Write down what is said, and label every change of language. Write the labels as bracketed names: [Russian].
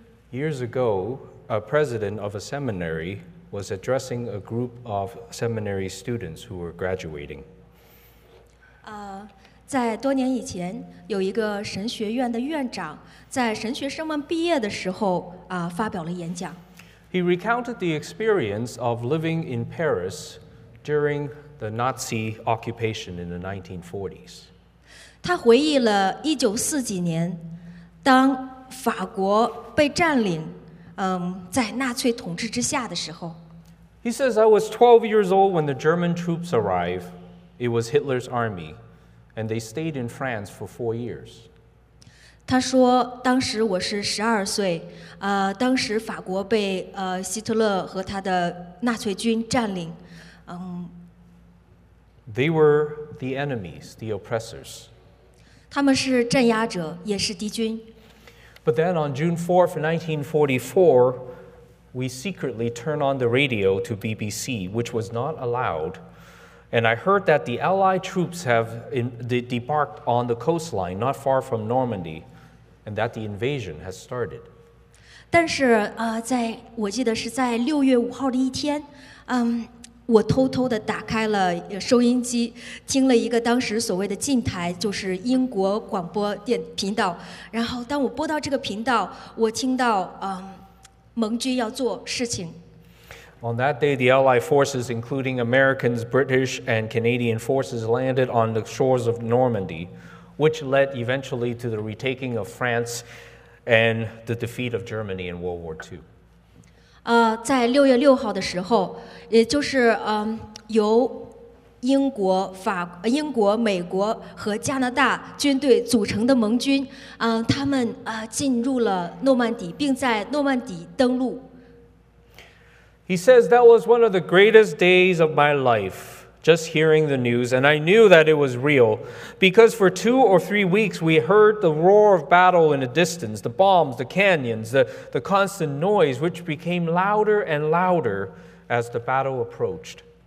[English] Years ago, a president of a seminary was addressing a group of seminary students who were graduating. [Chinese] 在多年以前，有一个神学院的院长在神学生们毕业的时候发表了演讲。 [English] He recounted the experience of living in Paris during the Nazi occupation in the 1940s. [Chinese] 他回忆了1940几年，当法国被占领，在纳粹统治之下的时候。 [English] He says, I was 12 years old when the German troops arrived. It was Hitler's army, and they stayed in France for 4 years. [Chinese] 他说，当时我是12岁，当时法国被希特勒和他的纳粹军占领， [English] They were the enemies, the oppressors. [Chinese] 他们是镇压者，也是敌军。 [English] But then on June 4th, 1944, we secretly turned on the radio to BBC, which was not allowed. And I heard that the Allied troops have debarked on the coastline, not far from Normandy, and that the invasion has started. [Chinese] 但是在我记得是在6月5号的一天，我偷偷地打开了收音机，听了一个当时所谓的禁台，就是英国广播电频道。然后当我播到这个频道，我听到盟军要做事情。 [English] On that day, the Allied forces, including Americans, British, and Canadian forces, landed on the shores of Normandy, which led eventually to the retaking of France and the defeat of Germany in World War II. [Chinese] 在6月6号的时候，也就是由英国、美国和加拿大军队组成的盟军，他们进入了诺曼底，并在诺曼底登陆。 [English] He says that was one of the greatest days of my life, just hearing the news, and I knew that it was real, because for 2 or 3 weeks we heard the roar of battle in the distance, the bombs, the cannons, the constant noise, which became louder and louder as the battle approached.